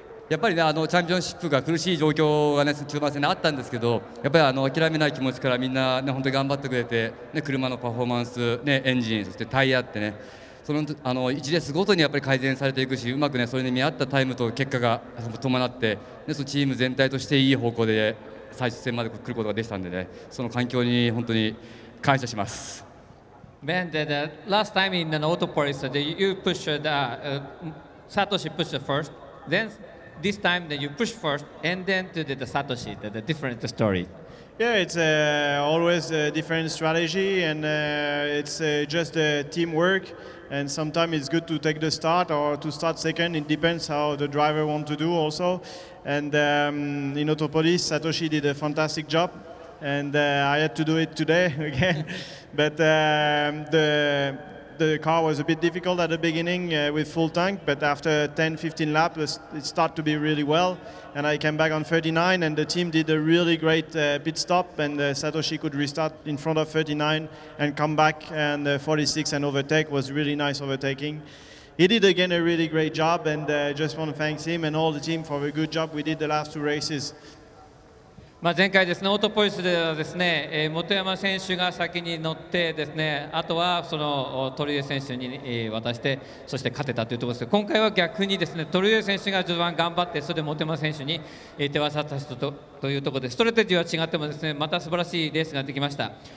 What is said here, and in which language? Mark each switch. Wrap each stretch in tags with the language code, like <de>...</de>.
<ja>やっぱりね、あのチャンピオンシップが苦しい状況がね、中盤戦であったんですけど、やっぱりあの諦めない気持ちからみんなね、本当に頑張ってくれて、ね、車のパフォーマンス、ね、エンジン、そしてタイヤってね、その、あの1レースごとにやっぱり改善されていくし、うまくね、それに見合ったタイムと結果が伴って、ね、そのチーム全体としていい方向で最終戦まで来ることができたんでね、その環境に本当に感謝します。</ja> <en>Man, the last time in an auto police, you pushed Satoshi pushed first. Then this time that you push first and then to the Satoshi, the different story. Yeah, it's always a different strategy and it's just teamwork. And sometimes it's good to take the start or to start second. It depends how the driver wants to do also. And in auto police, Satoshi did a fantastic job. And I had to do it today again, but the car was a bit difficult at the beginning with full tank, but after 10-15 laps it started to be really well, and I came back on 39 and the team did a really great pit stop, and Satoshi could restart in front of 39 and come back and 46 and overtake. Was really nice overtaking. He did again a really great job, and I just want to thank him and all the team for the good job we did the last two races.</en> <ja>まあ、前回ですね、オートポリスではですね、本山選手が先に乗ってですね、あとはそのトルエ選手に渡してそして勝てたというところですが、今回は逆にですね、トルエ選手が序盤頑張ってそれで本山選手に手渡した人というところで、ストレテジーは違ってもですね、また素晴らしいレースができました。</ja>